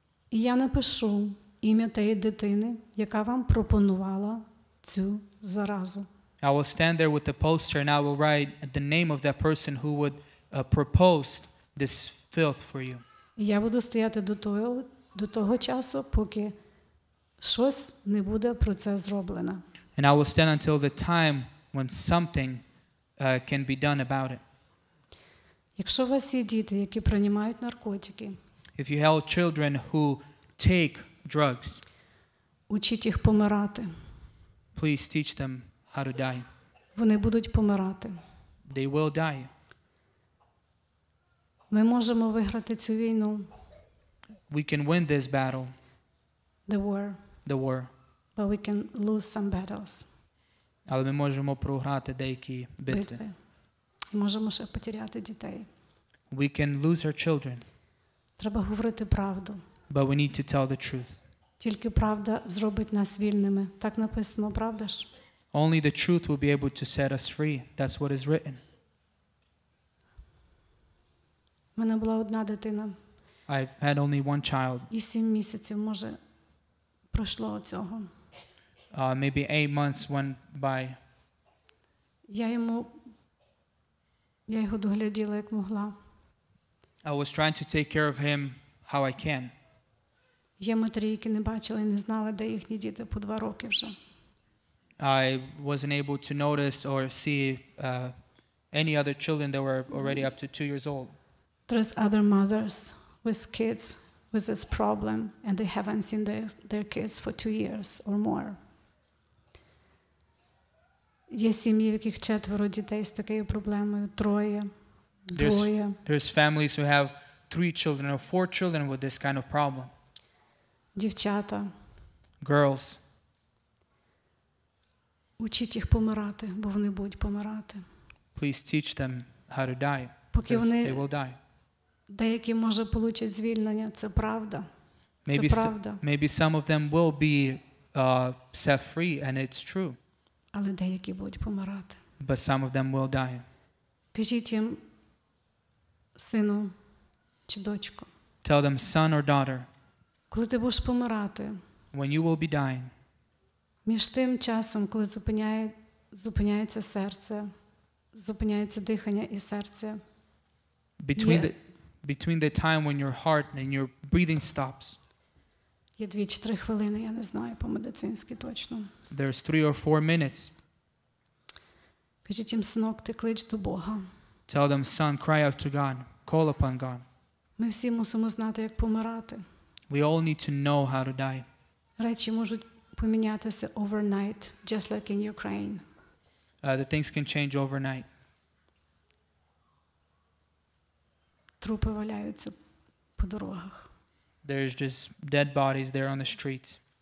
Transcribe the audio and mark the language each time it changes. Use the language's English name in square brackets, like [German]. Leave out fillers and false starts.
[Ukrainian] І я напишу ім'я тієї дитини, яка вам пропонувала цю заразу. [English] I will stand there with a poster and I will write the name of that person who would proposed this filth for you. [Ukrainian] Я буду стояти до того часу, поки щось не буде про це зроблено. [English] And I will stand until the time when something can be done about it. [Ukrainian] Якщо у вас є діти, які приймають наркотики, [English] if you have children who take drugs, [Ukrainian] учіть їх помирати. [English] Please teach them how to die. [Ukrainian] Вони будуть помирати. [English] They will die. [Ukrainian] Ми можемо виграти цю війну. [English] We can win this battle. The war. The war. But we can lose some battles. [Ukrainian] Але ми можемо програти деякі битви. І можемо ще потеряти дітей. [English] We can lose our children. [Ukrainian] Треба говорити правду. [English] But we need to tell the truth. [Ukrainian] Тільки правда зробить нас вільними. Так написано, правда ж? [English] Only the truth will be able to set us free. That's what is written. [Ukrainian] У мене була одна дитина. [English] I've had only one child. [Ukrainian] І 7 місяців, може, пройшло цього. [English] Maybe 8 months went by. [Ukrainian] Я його догляділа, як могла. [English] I was trying to take care of him how I can. [Ukrainian] Є матері, які не бачили, не знали, де їхні діти по 2 роки вже. [English] I wasn't able to notice or see any other children that were already up to 2 years old. There's other mothers with kids with this problem and they haven't seen their kids for 2 years or more. [Ukrainian] Є сім'ї, в яких четверо дітей з такою проблемою, двоє. [English] There's families who have 3 children or 4 children with this kind of problem. [Ukrainian] Дівчата. [English] Girls. [Ukrainian] Учіть їх помирати, бо вони будуть помирати. [English] Please teach them how to die. [Ukrainian] Поки вони [English] they will die. [Ukrainian] Деякі може получать звільнення, це правда. [English] Maybe [Ukrainian] це правда. [English] Maybe some of them will be set free and it's true. [Ukrainian] Але деякі будуть помирати. [English] But some of them will die. [Ukrainian] Кажіть їм, сину чи дочку. [English] Tell them son or daughter. [Ukrainian] Коли ти будеш помирати. [English] When you will be dying. [Ukrainian] Між тим часом, коли зупиняється серце, зупиняється дихання і серце. [English] Between the time when your heart and your breathing stops. [Ukrainian] Є 2-3 хвилини, я не знаю по-медицински точно. [English] There's 3 or 4 minutes. [Ukrainian] Кажіть їм, синок, ти клич до Бога. [English] Tell them, son, cry out to God. Call upon God. [Ukrainian] Ми всі мусимо знати, як помирати. [English] We all need to know how to die. [Ukrainian] Речі можуть помінятися [English] overnight, just like in Ukraine. The things can change overnight. [Ukrainian] Трупи валяються по дорогах. [English] There's just dead bodies there on the streets.